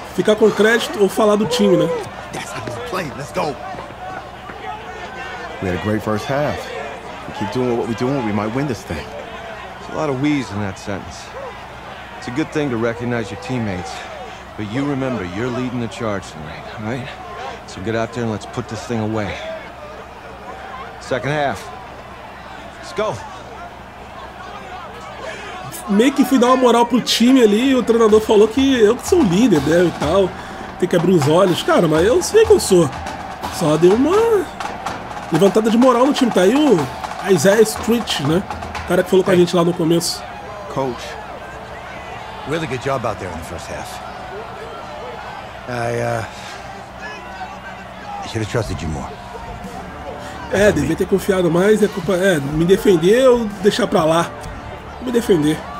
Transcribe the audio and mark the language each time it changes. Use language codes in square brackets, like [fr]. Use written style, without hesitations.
[pt] Ficar com crédito ou falar do time, né? [en] We had a great first half. We keep doing what we're doing, we might win this thing. There's a lot of wheeze in that sentence. It's a good thing to recognize your teammates, but you remember you're leading the charge tonight, right? So get out there and let's put this thing away. Second half. Let's go. [pt] Meio que fui dar uma moral pro time ali e o treinador falou que eu sou o líder, né, e tal. Tem que abrir os olhos. Cara, mas eu sei que eu sou. Só deu uma levantada de moral no time. Tá aí o Isaiah Street, né? O cara que falou com a gente lá no começo. [en] Coach, really good job out there in the first half. I should have trusted you more. [pt] É, devia ter confiado mais. É culpa. É, me defender ou deixar pra lá? Me defender.